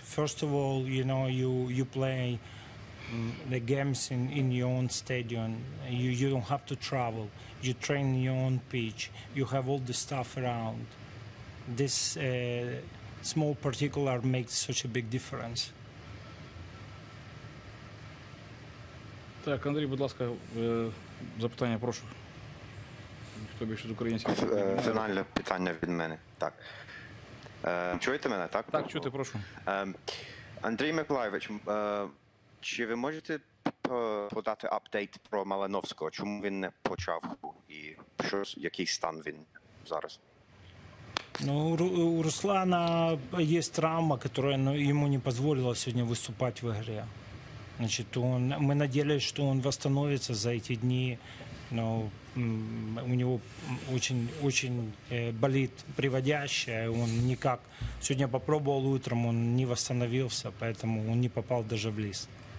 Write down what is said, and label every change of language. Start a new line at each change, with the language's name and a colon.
English: First of all, you know, you play the games in your own stadium. You don't have to travel. You train in your own pitch. You have all the stuff around. This small particular makes such a big difference.
Ukrainian: Так, Андрій, будь ласка, запитання, прошу. Хто більше з українських? Фінальне питання від мене. Так. Чуєте мене, так? Так, чути, прошу. Андрій Миколайович, чи ви можете подати апдейт про Малиновського? Чому він не почав? І що, який стан він зараз? Ну, у Руслана є травма, яка йому не дозволила сьогодні виступати в грі.
Russian: Значит, он, мы надеялись, что он восстановится за эти дни, но у него очень болит приводящая, он никак. Сегодня попробовал утром, он не восстановился, поэтому он не попал даже в лист.